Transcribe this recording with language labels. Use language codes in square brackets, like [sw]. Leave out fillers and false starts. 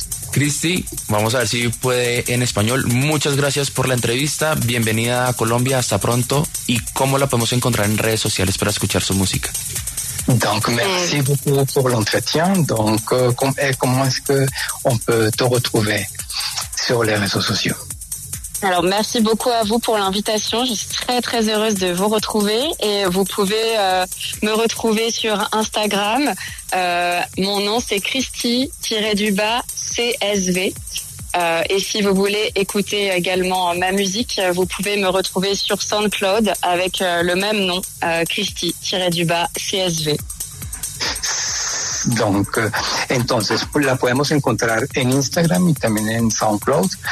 [es] Cristi, vamos a ver si puede en español. Muchas gracias por la entrevista. Bienvenida a Colombia, hasta pronto. ¿Y cómo la podemos encontrar en redes sociales para escuchar su música? [fr] Donc merci beaucoup pour l'entretien. Donc comment est-ce que on peut te retrouver sur les réseaux sociaux? Alors merci beaucoup à vous pour l'invitation. Je suis très très heureuse de vous retrouver et vous pouvez me retrouver sur Instagram. Mon nom c'est Christy-CSV. Et si vous voulez écouter également ma musique, vous pouvez me retrouver sur SoundCloud avec le même nom, Christy-CSV. [es] Donc, entonces, la podemos encontrar en Instagram y también en SoundCloud.